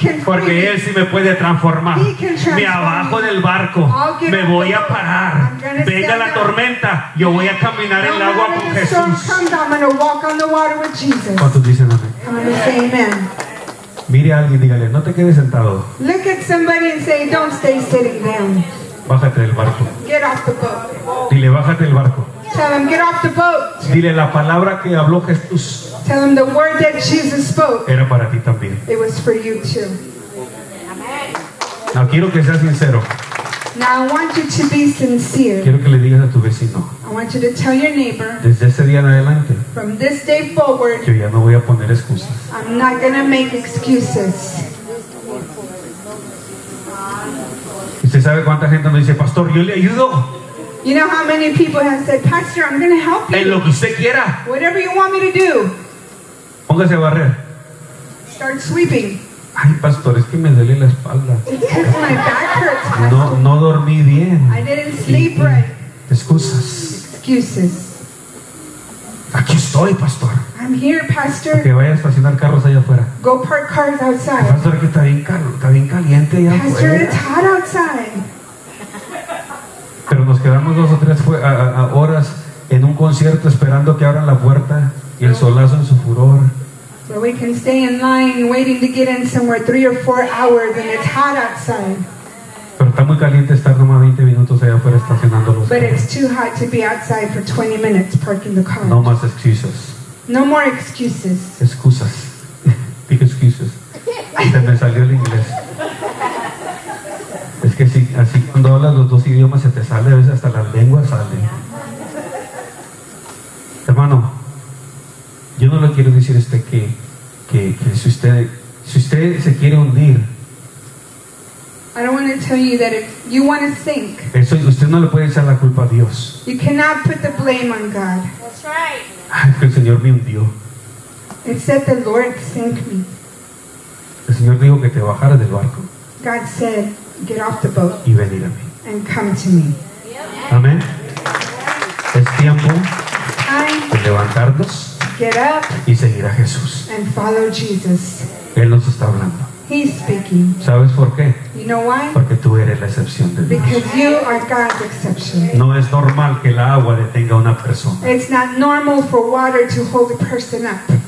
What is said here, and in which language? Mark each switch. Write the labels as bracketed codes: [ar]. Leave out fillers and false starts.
[es] Porque Él sí me puede transformar. Me abajo del barco. Me voy a parar. Venga la tormenta. Yo voy a caminar no en el agua con Jesús. [en] Comes, [es] ¿cuántos dicen amén? [en] Amen. [es] Mire a alguien, dígale, no te quedes sentado. [en] Look at somebody and say, don't stay sitting down. [es] Bájate del barco. [en] Get off the boat. [es] Dile, bájate del barco. [en] Get off Tell them, get off the boat. [es] Dile la palabra que habló Jesús. [en] Tell them the word that Jesus spoke. [es] Era para ti también. [en] It was for you too. [es] Now, quiero que seas sincero. [en] Now I want you to be sincere. [es] Quiero que le digas a tu vecino. [en] I want you to tell your neighbor. [es] Desde ese día en adelante. [en] From this day forward. [es] Yo ya no voy a poner excusas. [en] I'm not going to make excuses. [es] ¿Usted sabe cuánta gente nos dice, pastor, yo le ayudo? [en] You know how many people have said, pastor, I'm going to help you. [es] En lo que usted quiera. [en] Whatever you want me to do. [es] Póngase a barrer. [en] Start sweeping. [es] Ay, pastor, es que me duele la espalda. [en] Because my back hurts, [es] no, no dormí bien. [en] I didn't sleep right. [es] Excusas. [en] Excuses. [es] Aquí estoy, pastor. [en] I'm here, pastor. [es] Que vaya a estacionar carros allá afuera. [en] Go park cars outside. [es] Pastor, que está bien caliente allá afuera. [en] Pastor, it's hot outside. [es] Pero nos quedamos dos o tres horas en un concierto esperando que abran la puerta y el solazo en su furor. [en] Where we can stay in line waiting to get in somewhere 3 or 4 hours and it's hot outside. [es] Pero está muy caliente estar nomás 20 minutos allá afuera estacionando los [en] carros. But it's too hot to be outside for 20 minutes parking the car. [es] No más excusas. [en] No more excuses. [es] Excusas. Dije excuses. Se me salió el inglés. Es que sí, así cuando hablas los dos idiomas se te sale, a veces hasta la lengua sale. Hermano, yo no le quiero decir a usted que si usted se quiere hundir. [en] I don't want to tell you that if you want to sink. [es] Eso, usted no le puede echar la culpa a Dios. [en] You cannot put the blame on God. That's right. [es] Ay, que el Señor me hundió. [en] It said the Lord sank me. [es] El Señor dijo que te bajara del barco. [en] God said, get off the boat. [es] Y venir a mí. [en] And come to me. [es] Yep. Amén. Yep. Es tiempo de levantarnos. [en] Get up [es] y seguir a Jesús. [en] And follow Jesus. [es] Él nos está hablando. [en] He's speaking. [es] ¿Sabes por qué? [en] You know why? [es] Porque tú eres la excepción de Dios. [en] Because you are God's exception. [es] No es normal que la agua detenga a una persona. [en] It's not normal for water to hold a person up.